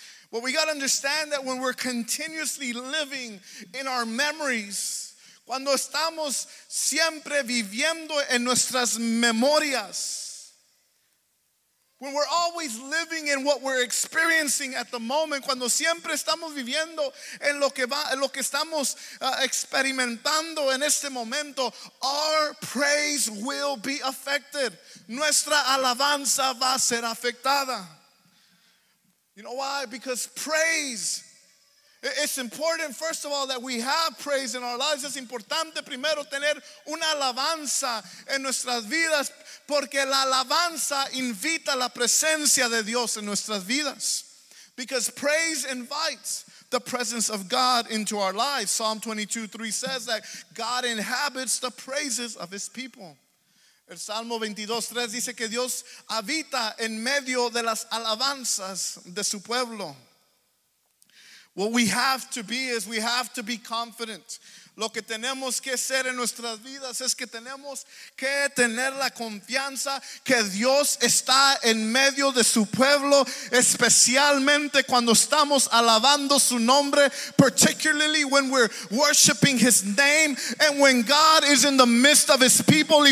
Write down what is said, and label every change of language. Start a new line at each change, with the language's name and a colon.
English: Well, we got to understand that when we're continuously living in our memories,
Spanish: cuando estamos siempre viviendo en nuestras memorias,
English: when we're always living in what we're experiencing at the moment,
Spanish: cuando siempre estamos viviendo en lo que va, en lo que estamos experimentando en este momento,
English: our praise will be affected.
Spanish: Nuestra alabanza va a ser afectada.
English: You know why? Because praise, it's important, first of all, that we have praise in our lives.
Spanish: Es importante primero tener una alabanza en nuestras vidas, porque la alabanza invita la presencia de Dios en nuestras vidas.
English: Because praise invites the presence of God into our lives. Psalm 22:3 says that God inhabits the praises of his people.
Spanish: El Salmo 22:3 dice que Dios habita en medio de las alabanzas de su pueblo.
English: What we have to be is we have to be confident.
Spanish: Lo que tenemos que ser en nuestras vidas es que tenemos que tener la confianza que Dios está en medio de su pueblo, especialmente cuando estamos alabando su nombre,
English: particularly when we're worshiping his name, and when God is in the midst of his people.